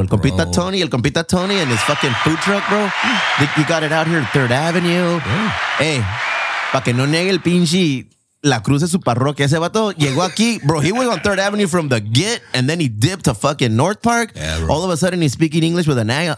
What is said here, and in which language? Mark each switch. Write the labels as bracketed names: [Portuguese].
[Spanish] El compita [English] Tony and his fucking food truck, bro. You got it out here at 3rd Avenue. Bro. [Spanish] Hey, pa que no niegue el pinche La Cruz de su parroquia. Ese vato llegó aquí. [English] Bro, he was on 3rd Avenue from the get, and then he dipped to fucking North Park. Yeah, all of a sudden, he's speaking English with a nag.